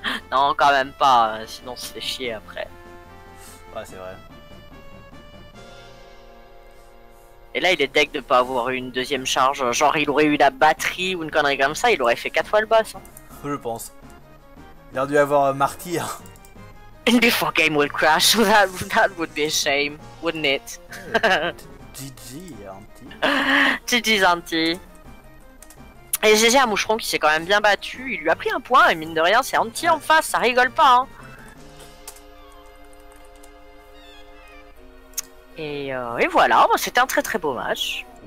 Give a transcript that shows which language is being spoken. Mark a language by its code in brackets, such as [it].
[fr] Non, quand même pas, sinon c'est chier après. Ouais, c'est vrai. Et là, il est deck de pas avoir eu une deuxième charge. Genre, il aurait eu la batterie ou une connerie comme ça, il aurait fait 4 fois le boss. Je pense. Il aurait dû avoir un martyr. [en] And before game will crash, that would be a shame, wouldn't it? [fr] GG, anti. GG, anti. Et GG à Moucheron qui s'est quand même bien battu, il lui a pris un point, et mine de rien, c'est anti en face, ça rigole pas, hein. Et voilà, c'était un très très beau match.